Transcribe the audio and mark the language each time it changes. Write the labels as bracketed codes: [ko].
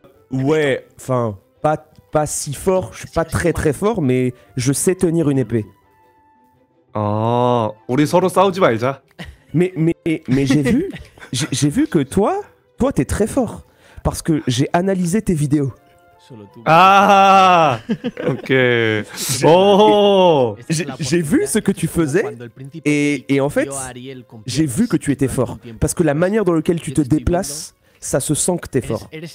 [fr] 왜, enfin, pas si fort, je suis pas très très fort, mais je sais tenir une épée. [ko] Oh, 우리 서로 싸우지 말자. [fr] Mais j'ai vu que toi t'es très fort parce que j'ai analysé tes vidéos. Ah, ok. Oh, j'ai vu ce que tu faisais et en fait j'ai vu que tu étais fort parce que la manière dans laquelle tu te déplaces, ça se sent que t'es fort.